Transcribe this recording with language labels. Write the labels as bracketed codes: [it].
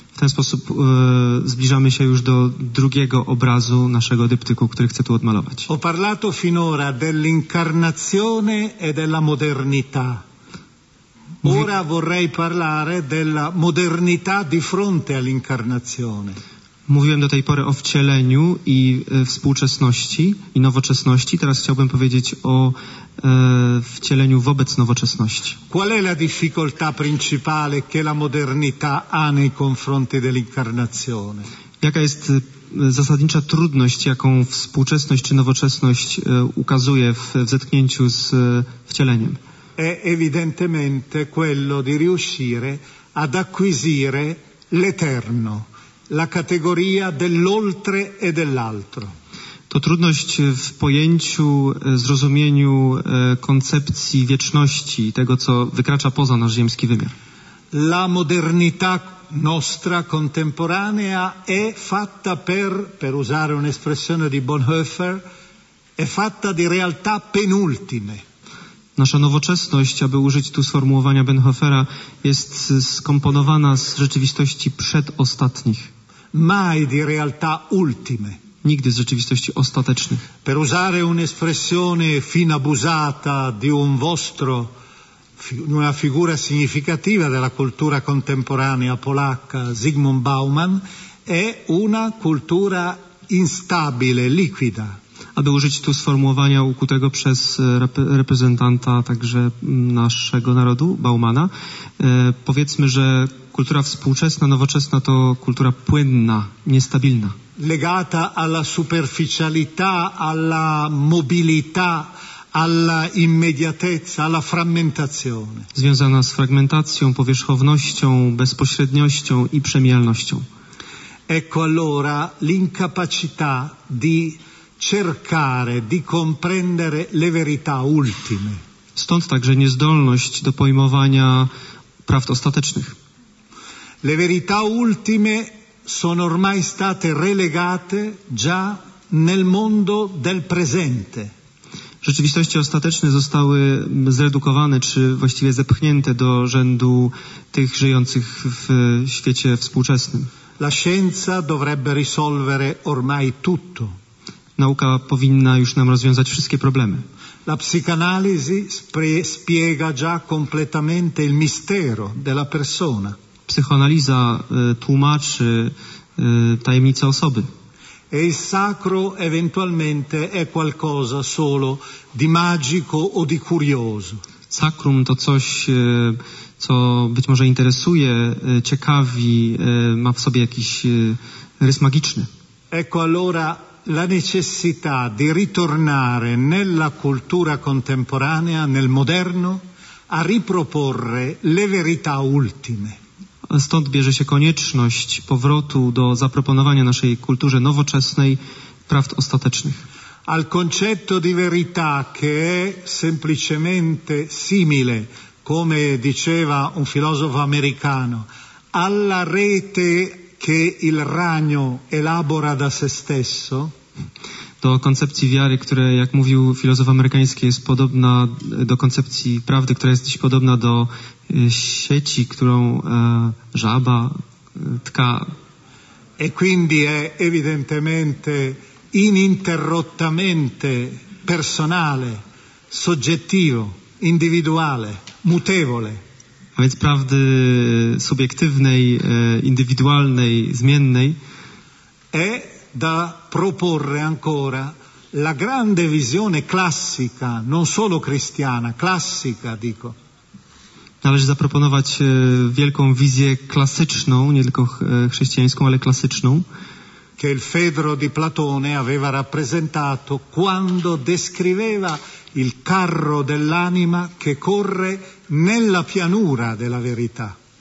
[pl] W ten sposób zbliżamy się już do drugiego obrazu naszego dyptyku, który chcę tu odmalować. [it] Ho parlato finora dell'incarnazione e della modernità. Ora vorrei parlare della modernità di fronte all'incarnazione. [pl] Mówiłem do tej pory o wcieleniu i współczesności i nowoczesności. Teraz chciałbym powiedzieć o wcieleniu wobec nowoczesności. [it] Qual è la difficoltà principale che la modernità ha nei confronti dell'incarnazione? [pl] Jaka jest zasadnicza trudność, jaką współczesność czy nowoczesność ukazuje w zetknięciu z wcieleniem? [it] È evidentemente quello di riuscire ad acquisire l'eterno, la categoria dell'oltre e dell'altro. [pl] To trudność w pojęciu, zrozumieniu koncepcji wieczności, tego co wykracza poza nasz ziemski wymiar. [it] La modernità nostra contemporanea è fatta per usare un'espressione di Bonhoeffer, è fatta di realtà penultime. [pl] Nasza nowoczesność, aby użyć tu sformułowania Bonhoeffera, jest skomponowana z rzeczywistości przedostatnich. [it] Mai di realtà ultime. [pl] Nigdy z rzeczywistości ostatecznych. [it] Per usare un'espressione fin abusata di un vostro, una figura significativa della cultura contemporanea polacca, Zygmunt Bauman, è una cultura instabile, liquida. [pl] Aby użyć tu sformułowania ukutego przez reprezentanta także naszego narodu, Baumana, powiedzmy, że kultura współczesna, nowoczesna to kultura płynna, niestabilna. [it] Legata alla superficialità, alla mobilità, alla immediatezza, alla frammentazione. [pl] Związana z fragmentacją, powierzchownością, bezpośredniością i przemijalnością. [it] Ecco allora l'incapacità di cercare di comprendere le verità ultime. [pl] Stąd także niezdolność do pojmowania prawd ostatecznych. [it] Le verità ultime sono ormai state relegate già nel mondo del presente. [pl] Rzeczywistości ostateczne zostały zredukowane, czy właściwie zepchnięte do rzędu tych żyjących w świecie współczesnym. [it] La scienza dovrebbe risolvere ormai tutto. [pl] Nauka powinna już nam rozwiązać wszystkie problemy. [it] La psicanalisi spiega già completamente il mistero della persona. [pl] Psychoanaliza tłumaczy tajemnicę osoby. [it] E il sacro eventualmente è qualcosa solo di magico o di curioso. [pl] Sacrum to coś, co być może interesuje, ciekawi, ma w sobie jakiś rys magiczny. [it] Ecco allora la necessità di ritornare nella cultura contemporanea, nel moderno, a riproporre le verità ultime. [pl] Stąd bierze się konieczność powrotu do zaproponowania naszej kulturze nowoczesnej prawd ostatecznych. [it] Al concetto di verità che è semplicemente simile, come diceva un filosofo americano, alla rete che il ragno elabora da se stesso. [pl] Do koncepcji wiary, która, jak mówił filozof amerykański, jest podobna do koncepcji prawdy, która jest dziś podobna do sieci, którą żaba tka. [it] E quindi è evidentemente ininterrottamente personale, soggettivo, individuale, mutevole. [pl] A więc prawdy subiektywnej, indywidualnej, zmiennej. [it] È da proporre ancora la grande visione classica, non solo cristiana, classica, dico. [pl] Należy zaproponować wielką wizję klasyczną, nie tylko chrześcijańską, ale klasyczną. [it] Che il Fedro di Platone aveva rappresentato quando descriveva il carro dell'anima che corre nella pianura della verità.